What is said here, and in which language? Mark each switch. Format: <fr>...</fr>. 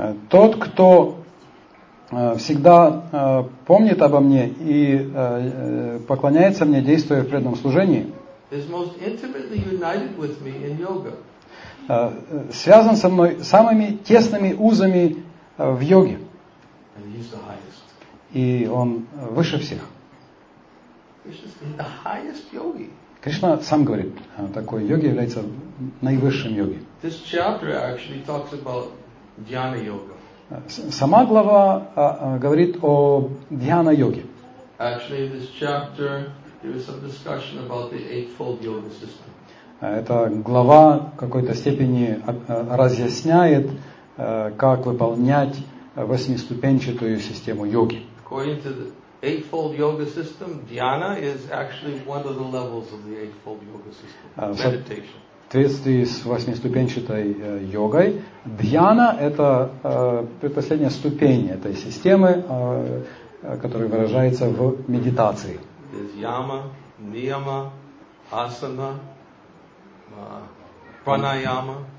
<ru>Тот, кто всегда помнит обо мне и поклоняется мне, действуя в преданном служении,</ru> <en>is most intimately united with me in yoga.</en> <ru>Связан со мной самыми тесными узами в йоге.</ru> <en>And he's the highest.</en> <ru>И он выше всех.</ru> <en>Krishna is the highest yogi.</en> <ru>Кришна сам говорит, такой йоги является наивысшим йоги.</ru> <en>This chapter actually talks about dhyana yoga.</en> <ru>Сама глава говорит о дхьяна йоге.</ru> <en>Actually, this chapter there is some discussion about the eightfold yoga system.</en> <ru>Эта глава в какой-то степени разъясняет, как выполнять восьмиступенчатую систему йоги.</ru> <en>According to the eightfold yoga system, dhyana is actually one of the levels of the eightfold yoga system. Meditation.</en> <ru>В соответствии с восьмиступенчатой йогой, дхьяна это предпоследняя ступень этой системы, которая выражается в медитации.</ru> <en>Is yama, niyama, asana, pranayama.</en>